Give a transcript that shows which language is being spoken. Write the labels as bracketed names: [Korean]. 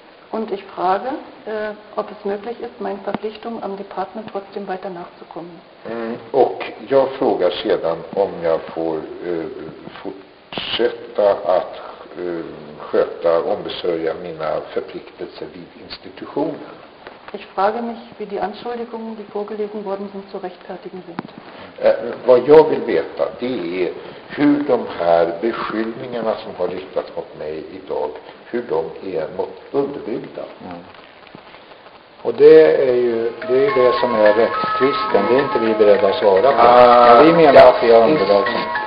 [German] Und ich frage, ob es möglich ist, meine Verpflichtung am Department trotzdem weiter nachzukommen. [Swedish] Och jag frågar sedan om jag får fortsätta att sköta och ombesörja mina förpliktelser vid institutionen. [German] Ich frage mich, wie die Anschuldigungen, die vorgelegt worden sind, zu rechtfertigen sind. [Swedish] Vad jag vill veta, det är hur de här beskyllningarna som har riktats mot mig idag, hur de är underbyggda. Och det är ju det som är rättstvisten. Det är inte vi beredda att svara på. Vi menar att vi har underlag som...